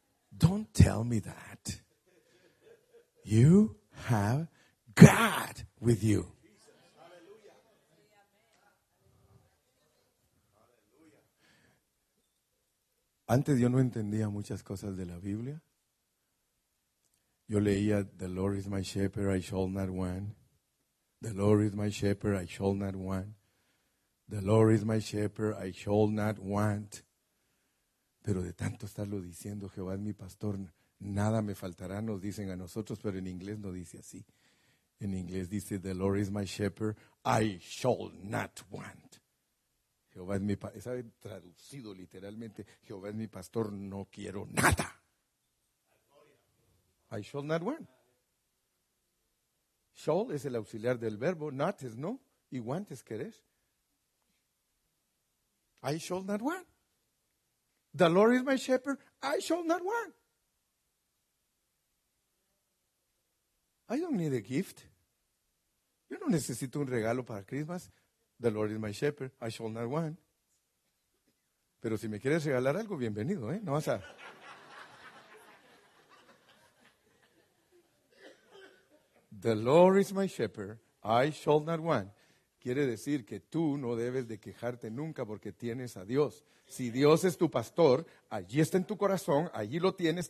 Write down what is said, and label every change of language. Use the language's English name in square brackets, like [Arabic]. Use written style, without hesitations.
[English] Don't tell me that. You have God with you. [Spanish] Antes yo no entendía muchas cosas de la Biblia. Yo leía, [English] The Lord is my shepherd, I shall not want. The Lord is my shepherd, I shall not want. The Lord is my shepherd, I shall not want. [Spanish] Pero de tanto estarlo diciendo, Jehová es mi pastor, nada me faltará, nos dicen a nosotros, pero en inglés no dice así. En inglés dice, [English] The Lord is my shepherd, I shall not want. [Spanish] Jehová es mi pastor, está traducido literalmente, Jehová es mi pastor, no quiero nada. [English] I shall not want. [Spanish] Shall es el auxiliar del verbo, not es no, y want es querer. [English] I shall not want. The Lord is my shepherd, I shall not want. I don't need a gift. [Spanish] Yo no necesito un regalo para Christmas. [English] The Lord is my shepherd, I shall not want. [Spanish] Pero si me quieres regalar algo, bienvenido, ¿eh? No vas a... [English] The Lord is my shepherd, I shall not want. [Spanish] Quiere decir que tú no debes de quejarte nunca porque tienes a Dios. Si Dios es tu pastor, allí está en tu corazón, allí lo tienes.